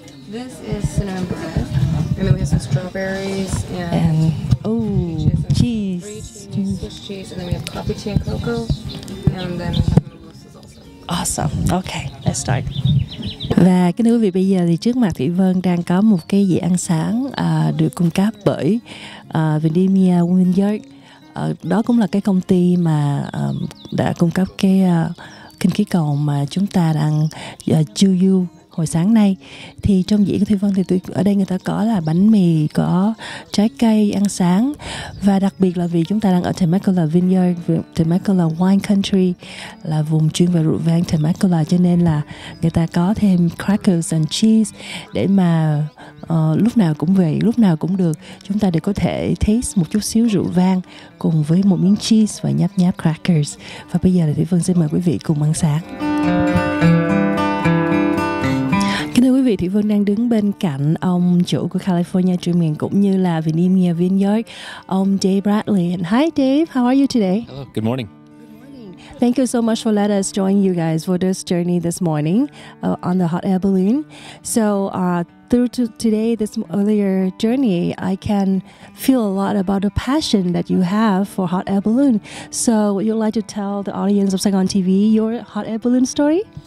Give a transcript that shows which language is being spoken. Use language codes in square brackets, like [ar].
[en] This is cinnamon bread, and then we have some strawberries and cheese, Swiss cheese, and then we have coffee, tea, and cocoa, and then awesome. Okay, let's start. [vi] Và kính thưa quý vị, bây giờ thì trước mặt Thủy Vân đang có một cái dĩa ăn sáng được cung cấp bởi Vindemia Vineyards. Đó cũng là cái công ty mà đã cung cấp cái khinh khí cầu mà chúng ta đang chiêu du hồi sáng nay. Thì trong dĩa của Thủy Vân thì ở đây người ta có là bánh mì, có trái cây ăn sáng. Và đặc biệt là vì chúng ta đang ở Temecula Vineyard, Temecula Wine Country, là vùng chuyên về rượu vang Temecula, cho nên là người ta có thêm [en] crackers and cheese [vi] để mà lúc nào cũng vậy, lúc nào cũng được, chúng ta đều có thể taste một chút xíu rượu vang cùng với một miếng cheese và nhấp nháp crackers. Và bây giờ thì Thủy Vân xin mời quý vị cùng ăn sáng. Vì Thủy Vân đang đứng bên cạnh ông chủ của California Dreamin cũng như là Vindemia Vineyard, ông Dave Bradley. [en] And hi Dave, how are you today? Hello, good morning. Thank you so much for letting us join you guys for this journey this morning on the hot air balloon. So through to today, this earlier journey, I can feel a lot about the passion that you have for hot air balloon. So would you like to tell the audience of Saigon TV your hot air balloon story?